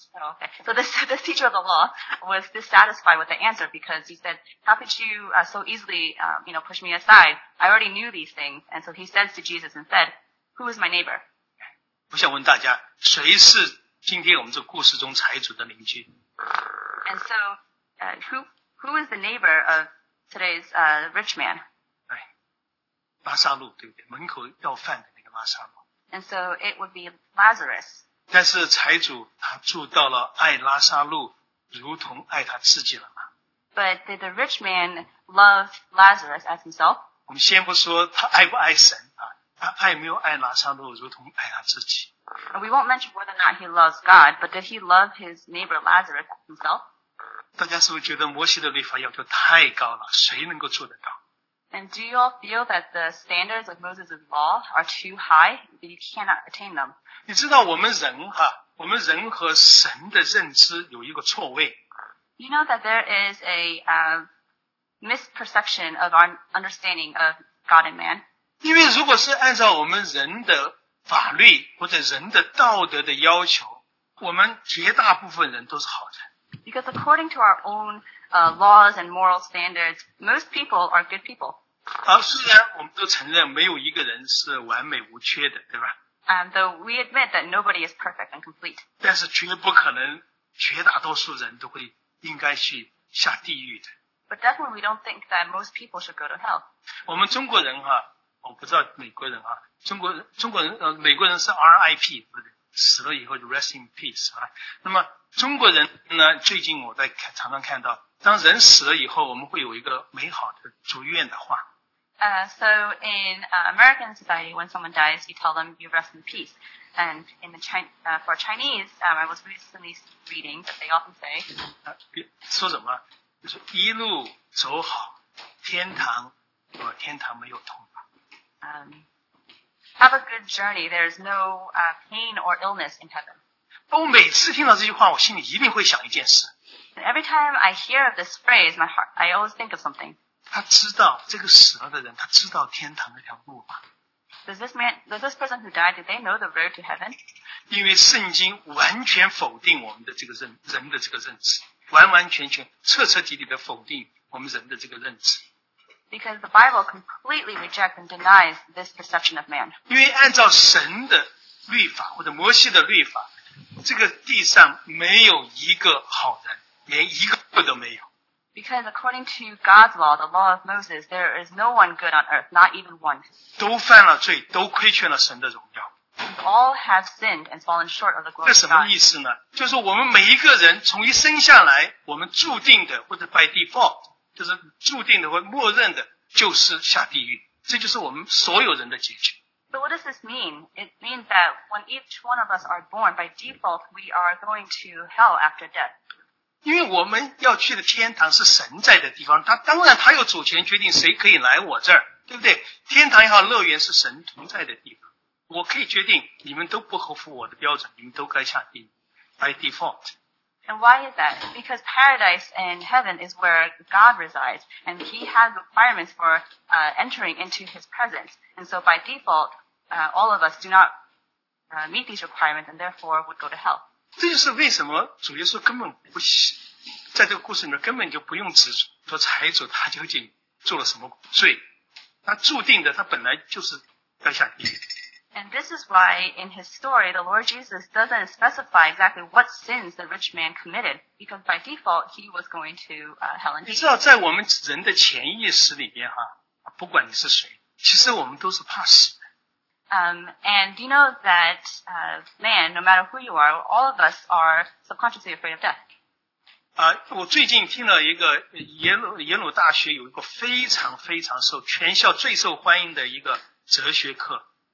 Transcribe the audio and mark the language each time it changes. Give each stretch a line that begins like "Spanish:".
English: Okay, so this teacher of the law was dissatisfied with the answer because he said, "How could you so easily, push me aside? I already knew these things." And so he says to Jesus and said, "Who is my neighbor?"
Chinese: 我想问大家，谁是今天我们这故事中财主的邻居？
English: And so, who is the neighbor of today's rich man?
Chinese: 哎，拉萨路，对不对？门口要饭的那个拉萨路。
English: And so it would be Lazarus.
Chinese: 但是财主他住到了爱拉撒路如同爱他自己了吗？
English: But did the rich man love Lazarus as himself?
Chinese: 我们先不说他爱不爱神啊，他爱没有爱拉撒路如同爱他自己。
English: We won't mention whether or not he loves God, but did he love his neighbor Lazarus himself?
Chinese: 大家是不是觉得摩西的律法要求太高了，谁能够做得到？
English: And do you all feel that the standards of Moses' law are too high that you cannot attain them?
Chinese: 你知道我们人哈，我们人和神的认知有一个错位。
English: You know that there is a misperception of our understanding of God and man.
Chinese: 因为如果是按照我们人的法律或者人的道德的要求，我们绝大部分人都是好人。
English: Because according to our own laws and moral standards, most people are good people.
Chinese: 好，虽然我们都承认没有一个人是完美无缺的，对吧？
English: Though we admit that nobody is perfect and complete.
Chinese: 但是绝不可能绝大多数人都会应该去下地狱的。
English: But definitely we don't think that most people should go to hell.
Chinese: 我们中国人哈，我不知道美国人啊，中国人美国人是
English: RIP，
Chinese: 不对，死了以后就
English: rest in peace
Chinese: 啊。那么中国人呢，最近我在常常看到，当人死了以后，我们会有一个美好的祝愿的话。
English: So in American society, when someone dies, you tell them you rest in peace. And in the for Chinese, I was recently reading that they often say,
Chinese: 说什么？就是一路走好，天堂，天堂没有痛吧。
English: Have a good journey. There's no pain or illness in heaven.
Chinese: 我每次听到这句话，我心里一定会想一件事。
English: And every time I hear this phrase, my heart, I always think of something.
Chinese: 他知道这个死了的人，他知道天堂那条路吗？
English: Does this person who died, did they know the road to heaven?
Chinese: 因为圣经完全否定我们的这个人的这个认知，完完全全彻彻底底的否定我们人的这个认知。
English: Because the Bible completely rejects and denies this perception of man.
Chinese: 因为按照神的律法或者摩西的律法，这个地上没有一个好人，连一个都没有。
English: Because according to God's law, the law of Moses, there is no one good on earth, not even one.
Chinese: 都犯了罪，都亏缺了神的荣耀。
English: All have sinned and fallen short of the glory of God.
Chinese: 这什么意思呢？就是我们每一个人从一生下来，我们注定的或者
English: by default，
Chinese: 就是注定的或默认的，就是下地狱。这就是我们所有人的结局。
English: So what does this mean? It means that when each one of us are born, by default, we are going to hell after death.
Chinese: 因为我们要去的天堂是神在的地方，他当然他有主权决定谁可以来我这儿，对不对？天堂也好，乐园是神同在的地方，我可以决定你们都不合乎我的标准，你们都该下地狱
English: by default. And why is that? Because paradise and heaven is where God resides, and He has requirements for entering into His presence. And so by default, all of us do not meet these requirements, and therefore would go to hell.
Chinese: 这就是为什么主耶稣根本不在这个故事里面根本就不用指说财主他究竟做了什么罪，他注定的他本来就是要下地狱。
English: And this is why in his story the Lord Jesus doesn't specify exactly what sins the rich man committed because by default he was going to hell and hell.
Chinese: 你知道在我们人的潜意识里面哈，不管你是谁，其实我们都是怕死。
English: And you know that man, no matter who you are, all of us are subconsciously afraid of death.
Chinese: 我最近听了一个耶鲁大学有一个非常非常受全校最受欢迎的一个哲学课。